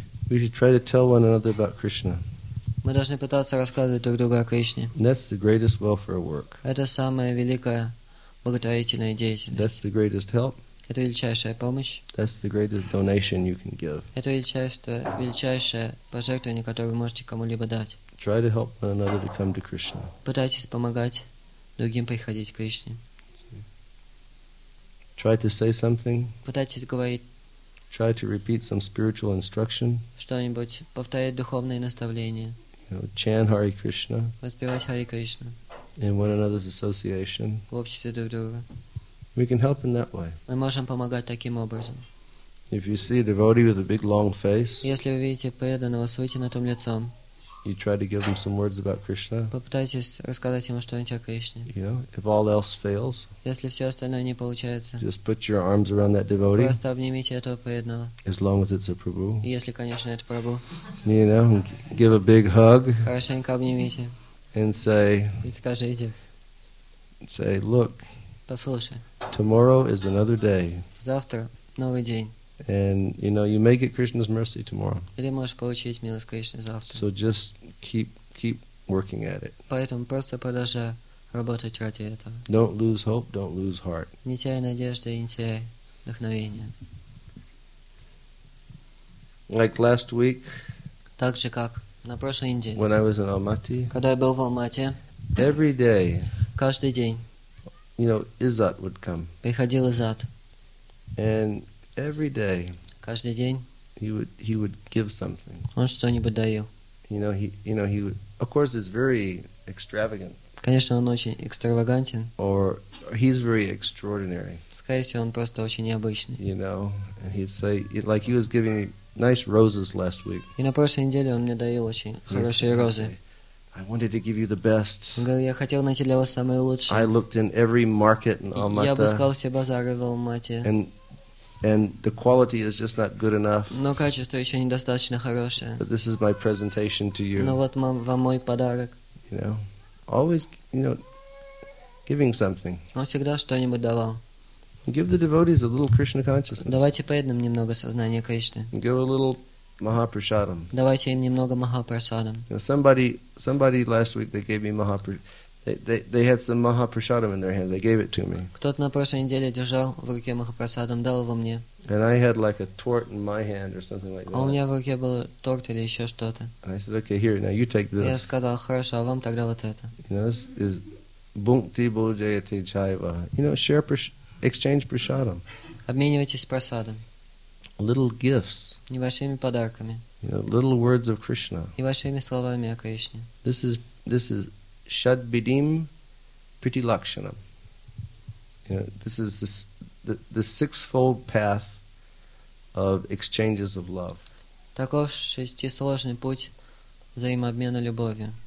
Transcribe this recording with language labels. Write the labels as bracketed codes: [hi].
[en] We should try to tell one another about Krishna. [ru] Мы должны пытаться рассказывать друг другу о Кришне. [en] That's the greatest welfare work. [ru] Это самая великая благотворительная деятельность. [en] That's the greatest help. [ru] Это величайшая помощь. [en] That's the greatest donation you can give. [ru] Это величайшее пожертвование, которое вы можете кому-либо дать. [en] Try to help one another to come to Krishna. [ru] Пытайтесь помогать другим приходить к Кришне. [en] Try to say something. [ru] Пытайтесь говорить. [en] Try to repeat some spiritual instruction. [ru] Что-нибудь повторять духовное наставление. [en] You know, chant Hare Krishna. [ru] Воспевать Hare Krishna. [en] In one another's association. [ru] В обществе друг друга. [en] We can help in that way. [ru] Мы можем помогать таким образом. [en] If you see a devotee with a big long face. [ru] Если вы видите преданного с вытянутым лицом. [en] You try to give him some words about Krishna. [ru] Попытайтесь рассказать ему что-нибудь о Кришне. [en] You know, if all else fails. [ru] Если все остальное не получается. [en] Just put your arms around that devotee. [ru] Просто обнимите этого преданного. [en] As long as it's a Prabhu. [ru] Если, конечно, это Прабху. [en] You know, give a big hug. [ru] Хорошенько обнимите. [en] And say. [ru] И скажите. [en] Say, look. [ru] Послушай. [en] Tomorrow is another day. [ru] Завтра новый день. [en] And you know you may get Krishna's mercy tomorrow. [ru] Или можешь получить милость Кришны завтра. [en] So just keep working at it. [ru] Поэтому просто продолжай работать ради этого. [en] Don't lose hope, don't lose heart. [ru] Не теряй надежды и не теряй вдохновения. [en] Like last week. [ru] Так же как на прошлой неделе. [en] When I was in Almaty. [ru] Когда я был в Алмате. [en] Every day. [ru] Каждый день. [en] You know, Izzat would come. [ru] Приходил Izzat. [en] And every day, [ru] каждый день, [en] he would give something. [ru] Он что-нибудь дарил. [en] You know he would, of course is very extravagant. [ru] Конечно, он очень экстравагантен. [en] Or he's very extraordinary. [ru] Скорее всего, он просто очень необычный. [en] You know, and he'd say like he was giving me nice roses last week. [ru] И на прошлой неделе он мне дарил очень хорошие розы. [en] I wanted to give you the best. [ru] Он говорил, я хотел найти для вас самые лучшие. [en] I looked in every market in Almaty. [ru] Я обыскал все базары в Алмате. [en] And the quality is just not good enough. [ru] Но качество еще недостаточно хорошее. [en] But this is my presentation to you. [ru] Но вот вам мой подарок. [en] You know, always, you know, giving something. [ru] Он всегда что-нибудь давал. [en] Give the devotees a little Krishna consciousness. [ru] Давайте преданным немного сознания Кришны. [en] Give a little Mahaprasadam. [ru] Давайте им немного Махапрасадам. [en] You know, somebody last week they gave me Mahaprasadam. They had some Mahaprasadam in their hands. They gave it to me. [ru] Кто-то на прошлой неделе держал в руке Махапрасадам, дал его мне. [en] And I had like a torte in my hand or something like that. [ru] А у меня в руке был торт или еще что-то. [en] I said, okay, here, now you take this. [ru] Я сказал, хорошо, а вам тогда вот это. [en] You know, this is [sa] Bhunkti Bhujayati Chaiva. [en] You know, share, exchange prasadam. [ru] Обменивайтесь прасадом. [en] Little gifts. [ru] Небольшими подарками. [en] You know, little words of Krishna. [ru] Небольшими словами о Кришне. [en] This is [sa] Shadbidim Priti Lakshanam. [en] You know, this is the sixfold path of exchanges of love. [ru] Таков шестисложный путь взаимообмена любовью.